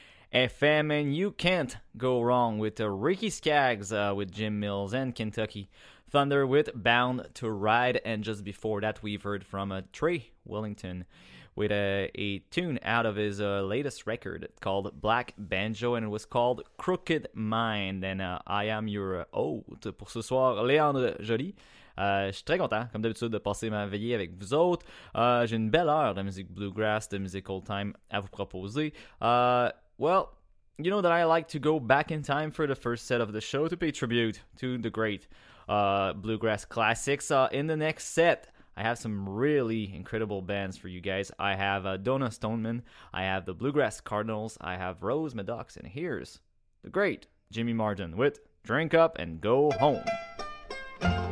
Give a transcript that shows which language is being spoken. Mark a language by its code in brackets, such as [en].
[en] FM, and you can't go wrong with Ricky Skaggs with Jim Mills and Kentucky Thunder with Bound to Ride. And just before that, we've heard from Trey Wellington with a tune out of his latest record called Black Banjo, and it was called Crooked Mind. And I am your host [fr] pour ce soir, [en] Léandre Joly. [fr] Je suis très content, comme d'habitude, de passer ma veillée avec vous autres. J'ai une belle heure de musique bluegrass, de musique old time à vous proposer. [en] Well, you know that I like to go back in time for the first set of the show to pay tribute to the great bluegrass classics. In the next set, I have some really incredible bands for you guys. I have Donna Stoneman, I have the Bluegrass Cardinals, I have Rose Maddox, and here's the great Jimmy Martin with Drink Up and Go Home.